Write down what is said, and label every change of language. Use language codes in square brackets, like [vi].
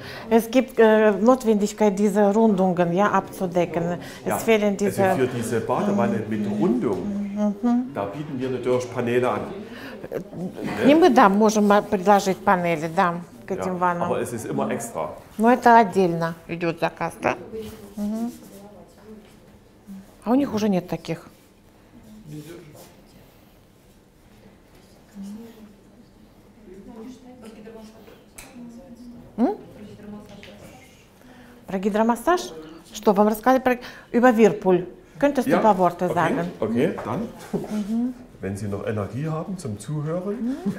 [de] Es gibt Notwendigkeit, diese Rundungen ja, abzudecken. Es ja, fehlen diese... Also für diese Badewanne mit Rundung, da bieten wir natürlich Paneele an. [ru] Не мы, да, можем предложить панели, да, к этим ваннам. [de] Aber es ist immer extra. [ru] Но это отдельно идет заказ, да? А у них уже нет таких. Про гидромассаж? Что вам рассказать про [de] über Whirlpool? Könntest du ein paar Worte sagen? Okay, dann. Wenn Sie noch Energie haben zum Zuhören.